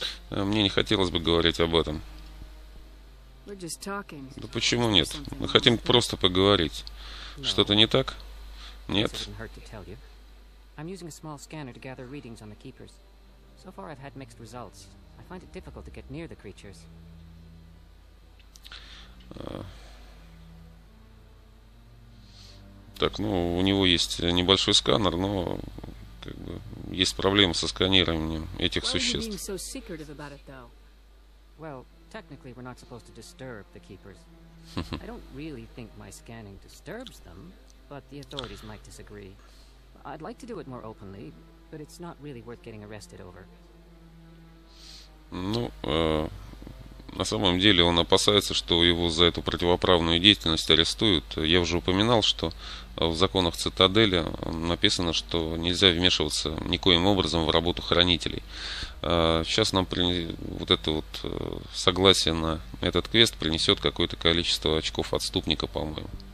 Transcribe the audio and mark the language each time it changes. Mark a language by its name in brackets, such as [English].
[Russian] Мне не хотелось бы говорить об этом. Да почему нет? Мы хотим просто поговорить. Что-то не так? Нет. [English] I'm using a small scanner to gather readings on the keepers. So far I've had mixed results. I find it difficult to get near the creatures. [Russian] Так, ну, у него есть небольшой сканер, но как бы есть проблемы со сканированием этих существ. [English] Why are you being so secretive about it, though? Well, technically we're not supposed to disturb the keepers. I don't really think my scanning disturbs them, but the authorities might disagree. I'd like to do it more openly, but it's not really worth getting arrested over. Ну, [Russian] На самом деле он опасается, что его за эту противоправную деятельность арестуют. Я уже упоминал, что в законах Цитадели написано, что нельзя вмешиваться никоим образом в работу хранителей. Сейчас нам вот это вот согласие на этот квест принесет какое-то количество очков отступника, по-моему.